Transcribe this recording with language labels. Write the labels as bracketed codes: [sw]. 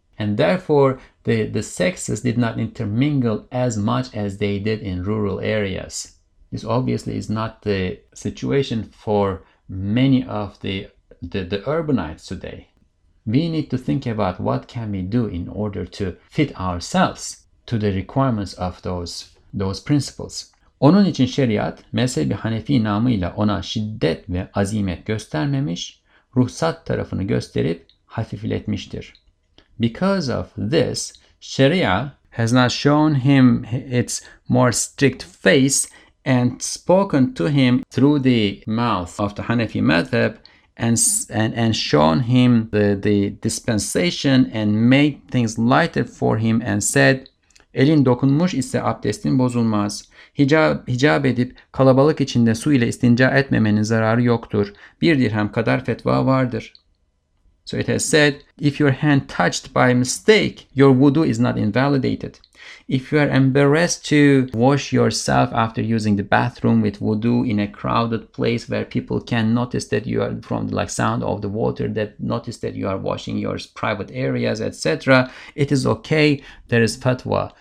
[en] And therefore, the sexes did not intermingle as much as they did in rural areas. This obviously is not the situation for many of the urbanites today. We need to think about what can we do in order to fit ourselves to the requirements of those principles. [tr] Onun için şeriat, mezhebi Hanefi namıyla ona şiddet ve azimet göstermemiş, ruhsat tarafını gösterip hafifletmiştir. [en] Because of this, Sharia has not shown him its more strict face and spoken to him through the mouth of the Hanafi madhab and shown him the dispensation and made things lighter for him and said, [tr] elin dokunmuş ise abdestin bozulmaz. Hicab edip kalabalık içinde su ile istinca etmemenin zararı yoktur. Bir dirhem kadar fetva vardır. [en] So it has said, if your hand touched by mistake, your wudu is not invalidated. If you are embarrassed to wash yourself after using the bathroom with wudu in a crowded place where people can notice that you are from the sound of the water, that notice that you are washing your private areas, etc., it is okay. There is fatwa.